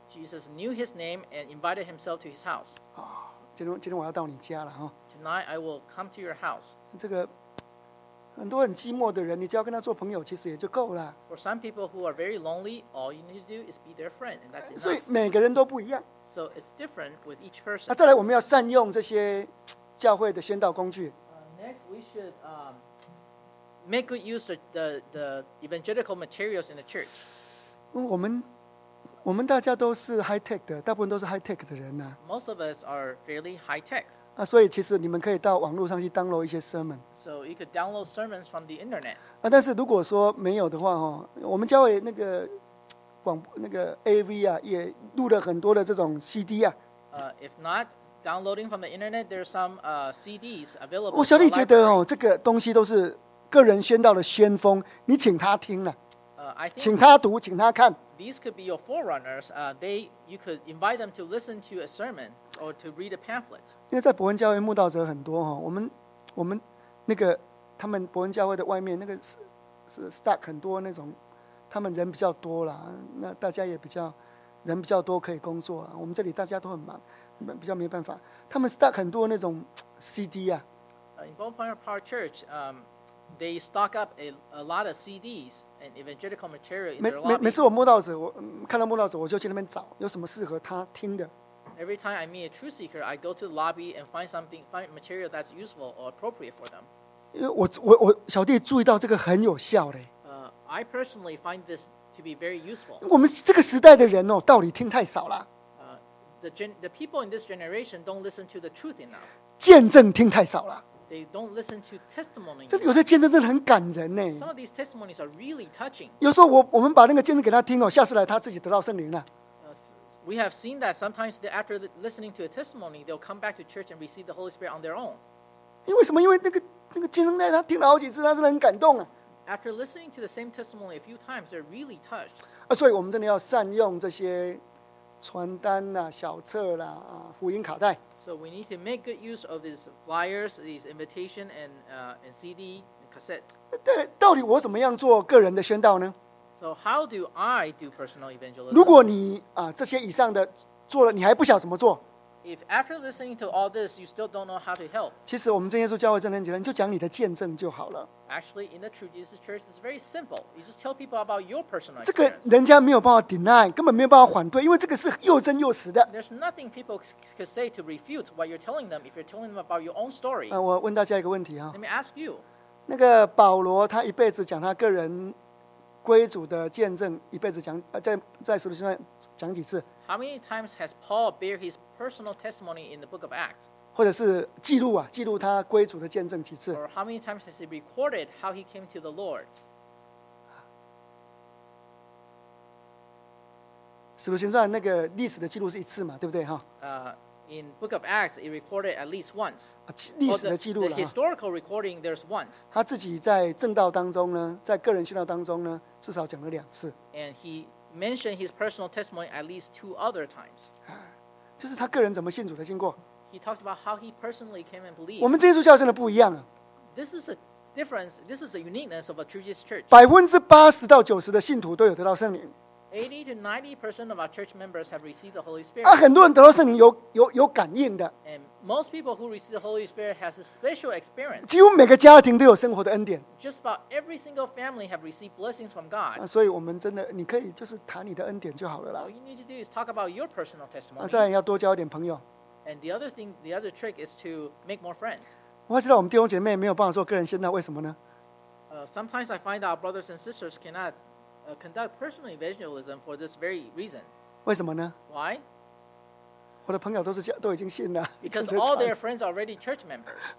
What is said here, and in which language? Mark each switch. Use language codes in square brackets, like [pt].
[en] Jesus knew his name and invited himself to his house. [zh] 今天我要到你家了哈。 [en] Tonight I will come to your house. [zh] 这个很多很寂寞的人，你只要跟他做朋友，其实也就够了。 [en] For some people who are very lonely, all you need to do is be their friend, and that's enough. [zh] 所以每个人都不一样。 [en] So it's different with each person. [zh] 再来，我们要善用这些教会的宣道工具。 [en] Next, we should make good use of the evangelical materials in the church. [zh] 我们大家都是 high tech 的，大部分都是 high tech 的人呐、啊。 [en] Most of us are fairly high tech. [zh] 啊，所以其实你们可以到网络上去 download 一些 sermon. [en] So you could download sermons from the internet. [zh] 啊，但是如果说没有的话，哦，我们教会那个广那个 AV 啊，也录了很多的这种 CD 啊。 [en] If not downloading from the internet, there are some CDs available. [zh] 我小弟觉得哦，这个东西都是个人宣道的先锋，你请他听了、啊。请他读，请他看。 [en] These could be your forerunners. You could invite them to listen to a sermon or to read a pamphlet. [zh] 因为在伯恩教会慕道者很多哈，我们那个他们伯恩教会的外面那个是 stack 很多那种，他们人比较多了，那大家也比较人比较多可以工作啊。我们这里大家都很忙，比较没办法。他们 stack 很多那种 CD 啊。 [en] In Bonfire Park Church, they stock up a lot of CDs. And evangelical material in their lobby. [zh] 每次我慕道者，我看到慕道者，我就去那边找有什么适合他听的。 [en] Every time I meet a true seeker, I go to the lobby and find material that's useful or appropriate for them. [zh] 因为我小弟注意到这个很有效嘞。 [en] I personally find this to be very useful. [zh] 我们这个时代的人哦，道理听太少了。 [en] The people in this generation don't listen to the truth enough. [zh] 见证听太少了。 [en] They don't listen to testimony. [zh] 这有的见证真的很感人呢。 [en] Some of these testimonies are really touching. [zh] 有时候我们把那个见证给他听哦，下次来他自己得到圣灵了。 [en] We have seen that sometimes after listening to a testimony, they'll come back to church and receive the Holy Spirit on their own. [zh] 因为什么？因为那个见证他听了好几次，他真的很感动啊。 [en] After listening to the same testimony a few times, they're really touched. [zh] 所以我们真的要善用这些传单啊、小册啦、啊、福音卡带。 [en] So we need to make good use of these flyers, these invitation and and CD and cassettes. [zh] 对，到底我怎么样做个人的宣道呢 [en] ？So how do I do personal evangelism? [zh] 如果你啊这些以上的做了，你还不晓怎么做 [en] ？If after listening to all this, you still don't know how to help. [zh] 其实我们真耶稣教会圣灵节，你就讲你的见证就好了。 [en] Actually, in the True Jesus Church, it's very simple. You just tell people about your personal experience. [zh] 这个人家没有办法 deny， 根本没有办法反对，因为这个是又真又实的。 [en] There's nothing people could say to refute what you're telling them if you're telling them about your own story. [zh] 我问大家一个问题啊。 [en] Let me ask you. [zh] 那个保罗他一辈子讲他个人归主的见证，一辈子讲在使徒行传讲几次 [en] ？How many times has Paul bear his personal testimony in the Book of Acts？ [zh] 或者是记录啊，记录他归主的见证几次 [en] ？Or how many times has he recorded how he came to the Lord？ [zh] 使徒行传那个历史的记录是一次嘛，对不对哈？ [en] In Book of Acts, it recorded at least once. [zh] 历史的记录了。 [en] The historical recording there's once. [zh] 他自己在正道当中呢，在个人宣道当中呢，至少讲了两次。 [en] And he mentioned his personal testimony at least two other times. [zh] 就是他个人怎么信主的经过。 [en] He talks about how he personally came and believed. [zh] 我们这耶稣教真的不一样啊。 [en] This is a difference. This is a uniqueness of a True Jesus Church. [zh] 80%-90%的信徒都有得到圣灵。 [en] 80-90% of our church members have received the Holy Spirit. [zh] 啊，很多人得到圣灵有感应的。 [en] And most people who receive the Holy Spirit has a special experience. [zh] 几乎每个家庭都有生活的恩典。 [en] Just about every single family have received blessings from God. [zh] 啊，所以我们真的，你可以就是谈你的恩典就好了啦。 [en] All you need to do is talk about your personal testimony. [zh] 啊，再来要多交一点朋友。 [en] And the other thing, the other trick is to make more friends. [zh] 我知道我们弟兄姐妹没有办法做个人宣道，为什么呢？ [en] Sometimes I find our brothers and sisters cannot. Conduct personal evangelism for this very reason. [zh] 为什么呢 [en] ？Why？ [zh] 我的朋友都已经信了。 [en] Because all their friends are already church members.